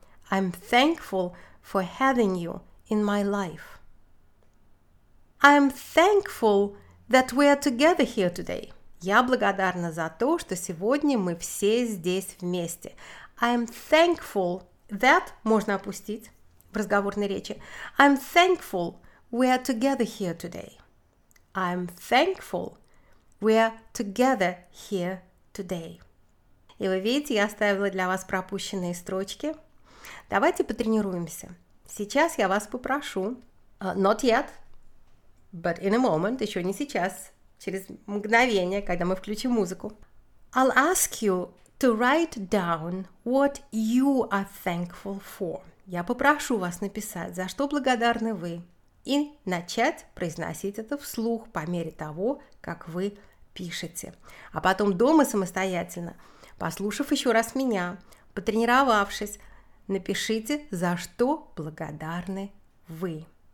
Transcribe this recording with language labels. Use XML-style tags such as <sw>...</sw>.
<en>I'm thankful for having you in my life. I'm thankful that we are together here today.</en> <ru>Я благодарна за то, что сегодня мы все здесь вместе.</ru> <en>I'm thankful that</en> <ru>можно опустить в разговорной речи.</ru> <en>I'm thankful we are together here today. I'm thankful we are together here today.</en> <ru>И вы видите, я оставила для вас пропущенные строчки. Давайте потренируемся. Сейчас я вас попрошу,</ru> <en>not yet, but in a moment,</en> <ru>еще не сейчас, через мгновение, когда мы включим музыку.</ru> <en>I'll ask you to write down what you are thankful for.</en> <ru>Я попрошу вас написать, за что благодарны вы, и начать произносить это вслух по мере того, как вы пишете. А потом дома самостоятельно, послушав еще раз меня, потренировавшись, напишите, за что благодарны вы.</ru>